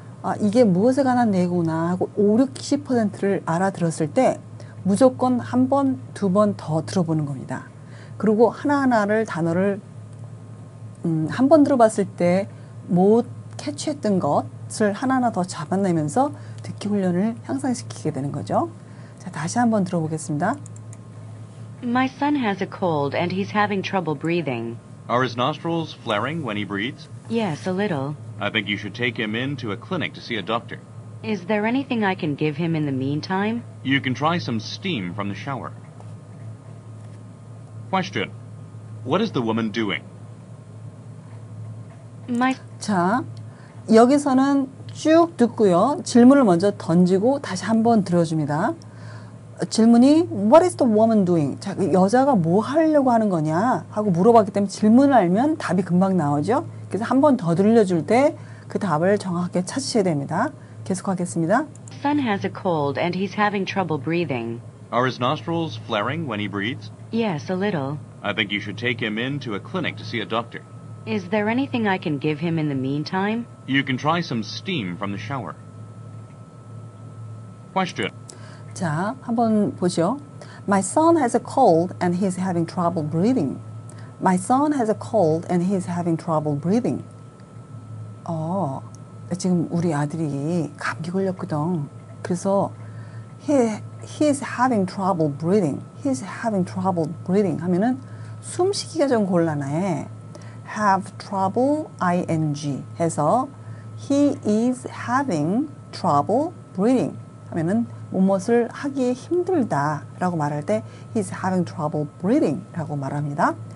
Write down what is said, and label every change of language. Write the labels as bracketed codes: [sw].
[ko] 아, 이게 무엇에 관한 내용이구나 하고 50-60%를 알아들었을 때 무조건 한 번, 두 번 더 들어보는 겁니다. 그리고 하나하나를 단어를 한 번 들어봤을 때 못 캐치했던 것을 하나하나 더 잡아내면서 듣기 훈련을 향상시키게 되는 거죠. 자, 다시 한번 들어보겠습니다. [en] My son has a cold and he's having trouble breathing. Are his nostrils flaring when he breathes? Yes, a little. I think you should take him in to a clinic to see a doctor. Is there anything I can give him in the meantime? You can try some steam from the shower. Question. What is the woman doing? My... [ko] 자, 여기서는 쭉 듣고요. 질문을 먼저 던지고 다시 한번 들어줍니다. 질문이 [en] What is the woman doing? [ko] 자, 여자가 뭐 하려고 하는 거냐? 하고 물어봤기 때문에 질문을 알면 답이 금방 나오죠. 그래서 한 번 더 들려줄 때 그 답을 정확하게 찾으셔야 됩니다. 계속하겠습니다. [en] Son has a cold and he's having trouble breathing. Are his nostrils flaring when he breathes? Yes, a little. I think you should take him in to a clinic to see a doctor. Is there anything I can give him in the meantime? You can try some steam from the shower. Question. [ko] 자, 한번 보죠. [en] My son has a cold and he's having trouble breathing. My son has a cold and he's having trouble breathing. [ko] 어, 지금 우리 아들이 감기 걸렸거든. 그래서 [en] he's having trouble breathing. He's having trouble breathing [ko] 하면은 숨쉬기가 좀 곤란해. [en] Have trouble ing [ko] 해서 [en] he is having trouble breathing [ko] 하면은 무엇을 하기에 힘들다라고 말할 때 [en] he's having trouble breathing라고 [ko] 말합니다.